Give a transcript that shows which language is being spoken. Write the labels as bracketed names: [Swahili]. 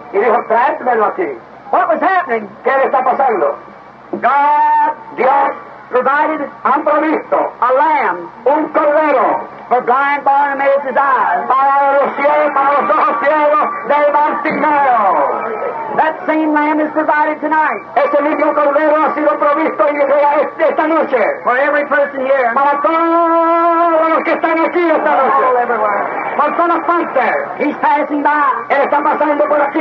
[Spanish] Y dijo, tráetmelo aquí. [English] What was happening? [Spanish] ¿Qué le está pasando? [English] God. [Spanish] Dios. [English] Provided. [Spanish] Han provisto. [English] A lamb. [Spanish] Un cordero. [English] For blind Bartimaeus' eyes. [Spanish] Para los ciegos, para los ojos ciegos de Bartimaeo. [English] That same lamb is provided tonight. [Spanish] Ese mismo cordero ha sido provisto y llega esta noche. [English] For every person here. [Spanish] Para todos los que están aquí esta noche. [English] All everywhere. [Spanish] Por todas partes. [English] He's passing by. [Spanish] Él está pasando por aquí.